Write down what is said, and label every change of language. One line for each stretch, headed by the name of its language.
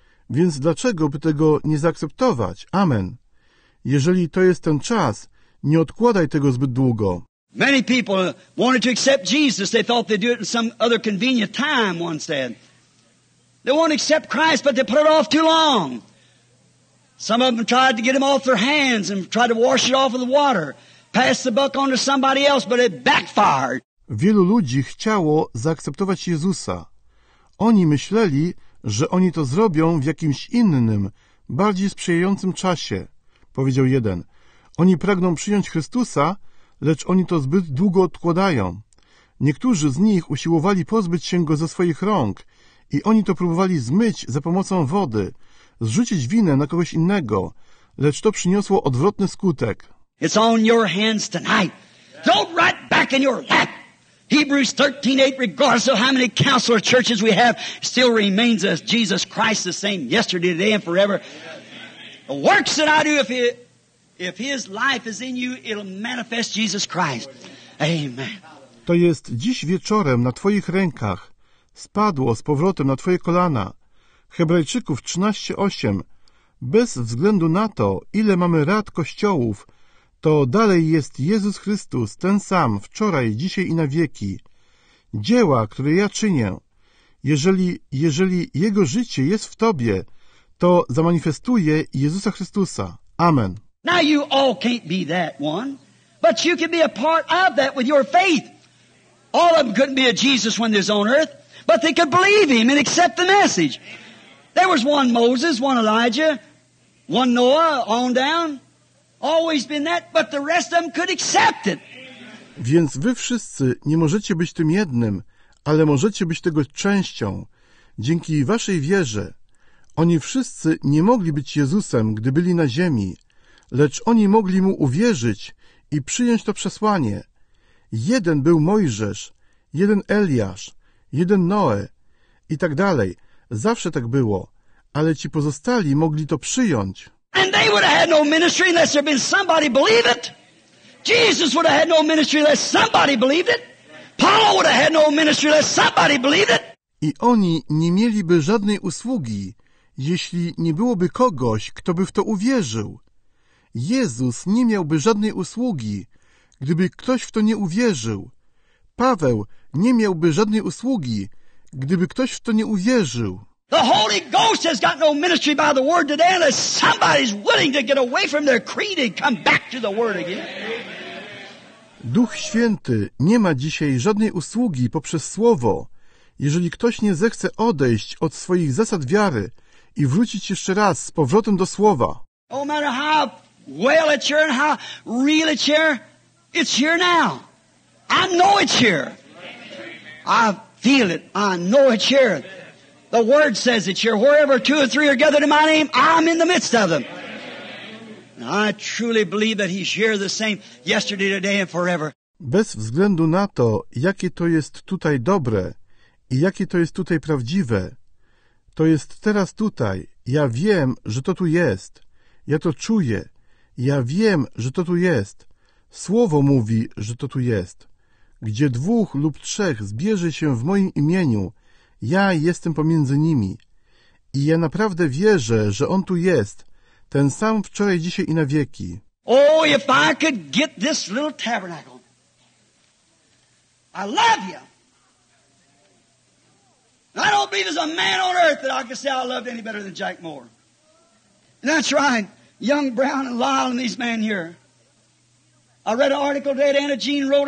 Polish: Więc dlaczego by tego nie zaakceptować? Amen. Jeżeli to jest ten czas, nie odkładaj tego zbyt długo.
English: Many people wanted to accept Jesus. They thought they'd do it in some other convenient time, one said. They won't accept Christ, but they put it off too long. Some of them tried to get him off their hands and tried to wash it off with water, pass the buck on to somebody else, but it backfired.
Polish: Wielu ludzi chciało zaakceptować Jezusa. Oni myśleli, że oni to zrobią w jakimś innym, bardziej sprzyjającym czasie, powiedział jeden. Oni pragną przyjąć Chrystusa, lecz oni to zbyt długo odkładają. Niektórzy z nich usiłowali pozbyć się go ze swoich rąk i oni to próbowali zmyć za pomocą wody, zrzucić winę na kogoś innego, lecz to przyniosło odwrotny skutek.
English: It's on your hands tonight. Throw right back in your lap. Hebrews 13:8, regardless of how many councils or churches we have, still remains us Jesus Christ the same yesterday, today and forever. The works that I do, if his life is in you, it'll manifest Jesus Christ. Amen.
Polish: To jest dziś wieczorem na Twoich rękach. Spadło z powrotem na Twoje kolana. Hebrajczyków 13:8. Bez względu na to, ile mamy rad kościołów, to dalej jest Jezus Chrystus, ten sam, wczoraj, dzisiaj i na wieki. Dzieła, które ja czynię, jeżeli Jego życie jest w Tobie, to zamanifestuje Jezusa Chrystusa. Amen.
English: Now you all can't be that one, but you can be a part of that with your faith. All of them couldn't be a Jesus when they're on earth, but they could believe him and accept the message. There was one Moses, one Elijah, one Noah, on down. Always been that, but the rest of them could accept it.
Polish: Więc wy wszyscy nie możecie być tym jednym, ale możecie być tego częścią. Dzięki waszej wierze. Oni wszyscy nie mogli być Jezusem, gdy byli na ziemi, lecz oni mogli mu uwierzyć i przyjąć to przesłanie. Jeden był Mojżesz, jeden Eliasz, jeden Noe i tak dalej. Zawsze tak było, ale ci pozostali mogli to przyjąć.
English: And they would have had no ministry unless there had been somebody believe it. Jesus would have had no ministry unless somebody believed it. Paul would have had no ministry unless somebody believed it.
Polish: I oni nie mieliby żadnej usługi, jeśli nie byłoby kogoś, kto by w to uwierzył. Jezus nie miałby żadnej usługi, gdyby ktoś w to nie uwierzył. Paweł nie miałby żadnej usługi, gdyby ktoś w to nie uwierzył.
English: The Holy Ghost has got no ministry by the word today unless somebody's willing to get away from their creed and come back to the word again.
Polish: Duch Święty nie ma dzisiaj żadnej usługi poprzez słowo, jeżeli ktoś nie zechce odejść od swoich zasad wiary i wrócić jeszcze raz z powrotem do słowa.
English: No matter how well it's here and how real it's here now. I know it's here. I feel it. I know it's here. The word says it's here. Wherever two or three are gathered in my name, I'm in the midst of them. And I truly believe that he's here the same yesterday, today and forever.
Polish: Bez względu na to, jakie to jest tutaj dobre i jakie to jest tutaj prawdziwe, to jest teraz tutaj. Ja wiem, że to tu jest. Ja to czuję. Ja wiem, że to tu jest. Słowo mówi, że to tu jest. Gdzie dwóch lub trzech zbierze się w moim imieniu, ja jestem pomiędzy nimi. I ja naprawdę wierzę, że On tu jest, ten sam wczoraj, dzisiaj i na wieki.
English: Oh, if I could get this little tabernacle. I love you. I don't believe there's a man on earth that I could say I loved any better than Jack Moore. And that's right, young Brown and Lyle and these men here. I read an article that Anna Jean wrote.